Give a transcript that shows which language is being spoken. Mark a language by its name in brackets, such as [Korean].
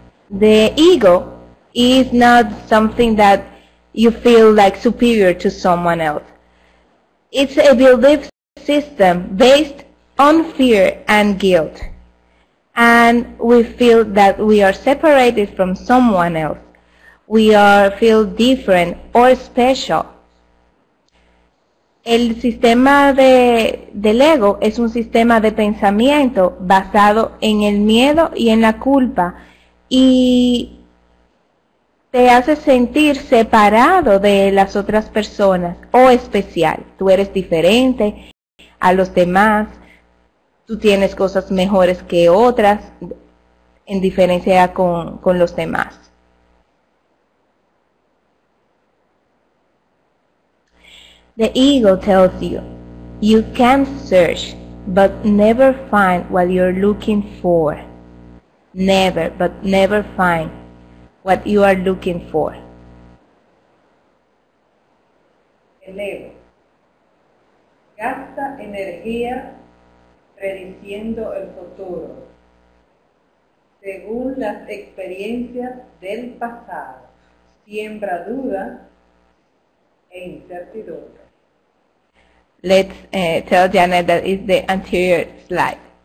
[English] The ego is not something that you feel like superior to someone else. It's a belief system based on fear and guilt. And we feel that we are separated from someone else. We are feel different or special. [Spanish] El sistema del ego es un sistema de pensamiento basado en el miedo y en la culpa. Y te hace sentir separado de las otras personas o especial. Tú eres diferente a los demás, tú tienes cosas mejores que otras, en diferencia con los demás. [English] The ego tells you, you can search, but never find what you're looking for. Never, but never find what you are looking for. [Spanish] El ego gasta energía prediciendo el futuro según las experiencias del pasado, siembra dudas e incertidumbre. [English] Let's tell Janet that is the anterior slide.